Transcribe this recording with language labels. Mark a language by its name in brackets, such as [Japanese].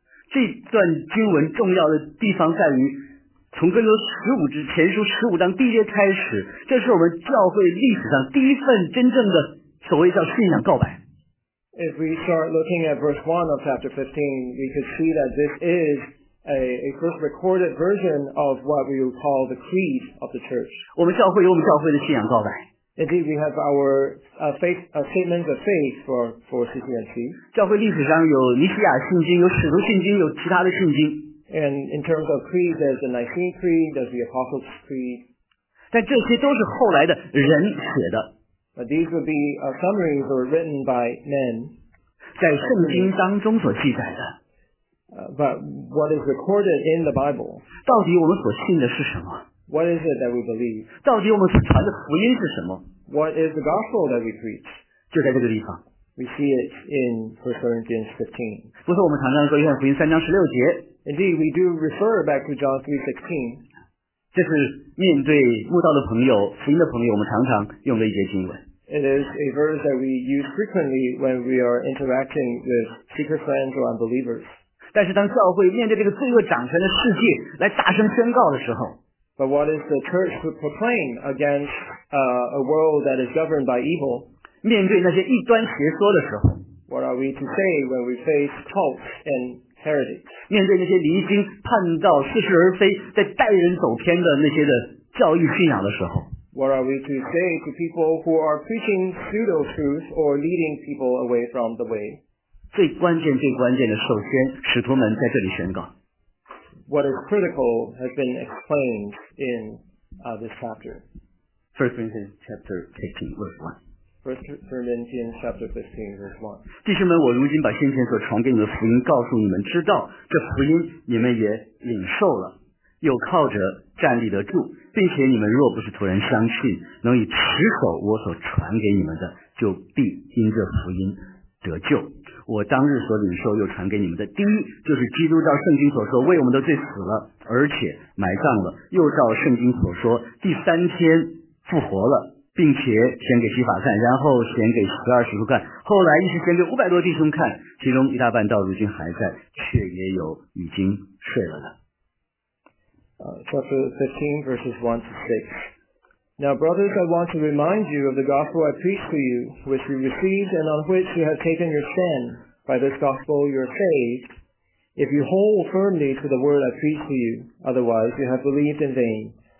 [Chinese] 这段经文重要的地方在于，从哥林多十五至前书十五章第一节开始，这是我们教会历史上第一份真正的所谓叫信仰告白。 [English] If we start looking at verse 1 of chapter 15, we could see that this is a first recorded version of what we would call the creed of the church. [Chinese] 我们教会有我们教会的信仰告白。 [English] Indeed, we have our faith, statement of faith for CCNC. [Chinese] 教会历史上有尼西亚信经，有使徒信经，有其他的信经。 [English] And in terms of creed, there's the Nicene Creed, there's the Apostles' Creed. [Chinese] 但这些都是后来的人写的。 [English] But these would be summaries or written by men. [Chinese] 在圣经当中所记载的。 [English] But what is recorded in the Bible? [Chinese] 到底我们所信的是什么？ [English] What is it that we believe? [Chinese] 到底我们所传的福音是什么？ [English] What is the gospel that we preach? [Chinese] 就在这个地方。 [English] We see it in 1 Corinthians 15. [Chinese] 不是我们常常说约翰福音三章十六节。 [English] Indeed, we do refer back to John 3:16. [Chinese] 这是面对慕道的朋友福音的朋友我们常常用的一节经文 [English] It is a verse that we use frequently when we are interacting with seeker friends or unbelievers [Chinese] 但是当教会面对这个罪恶掌权的世界来大声宣告的时候 [English] But what is the church to proclaim against a world that is governed by evil [Chinese] 面对那些异端邪说的时候 [English] What are we to say when we face cults andHeretics. [Chinese] 面对那些离经叛道似是而非在带人走偏的那些的教育信仰的时候 [English] What are we to say to people who are preaching pseudo-truth or leading people away from the way? [Chinese] 最关键最关键的首先使徒们在这里宣告 [English] What is critical has been explained in this chapter. 1 Corinthians chapter 15, verse 1. 1 Corinthians chapter 15, verse 1. [Chinese] 弟兄们，我如今把先前所传给你的福音告诉你们知道，这福音你们也领受了，又靠着站立得住，并且你们若不是突然相信，能以持守我所传给你们的，就必因这福音得救。我当日所领受又传给你们的，第一就是基督照圣经所说为我们的罪死了，而且埋葬了，又照圣经所说第三天复活了，并且显给西法看，然后显给十二使徒看，后来一时显给五百多弟兄看，其中一大半到如今还在，却也有已经睡了的。 [English] Chapter 15, verses 1 to 6. Now, brothers, I want to remind you of the gospel I preached to you, which you received and on which you have taken your stand. By this gospel you are saved, if you hold firmly to the word I preached to you, otherwise you have believed in vain.